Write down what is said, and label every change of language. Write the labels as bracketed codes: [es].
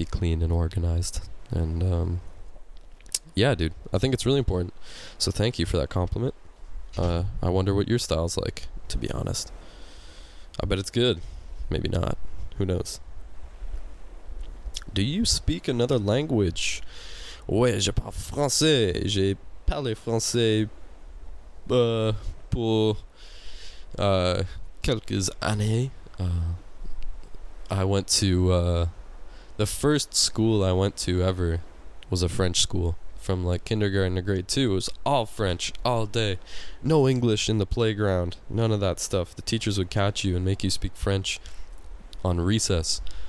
[en] be clean and organized. And yeah, dude, I think it's really important. So thank you for that compliment. I wonder what your style's like, to be honest. I bet it's good. Maybe not. Who knows? Do you speak another language? [fr] Ouais, je parle français. J'ai parlé français pour quelques années. [en] I went to the first school I went to ever was a French school from like kindergarten to grade two. It was all French all day. No English in the playground. None of that stuff. The teachers would catch you and make you speak French on recess.